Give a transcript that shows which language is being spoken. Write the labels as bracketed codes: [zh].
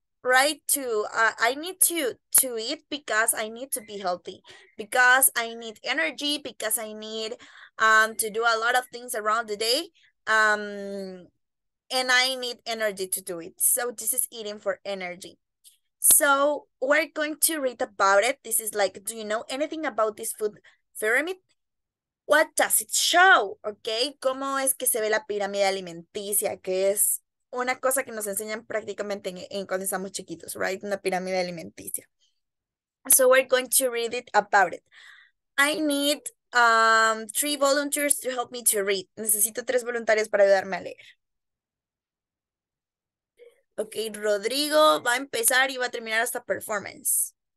[en] Right, to I need to eat because I need to be healthy, because I need energy, because I need to do a lot of things around the day, and I need energy to do it. So this is eating for energy. So we're going to read about it. This is like, do you know anything about this food pyramid? What does it show? [es] Okay, ¿cómo es que se ve la pirámide alimenticia? ¿Qué es? Una cosa que nos enseñan prácticamente en cuando estamos chiquitos, right? Una pirámide alimenticia. [en] So we're going to read it about it. I need 3 volunteers to help me to read. [es] Necesito 3 voluntarios para ayudarme a leer. Ok, Rodrigo va a empezar y va a terminar esta performance.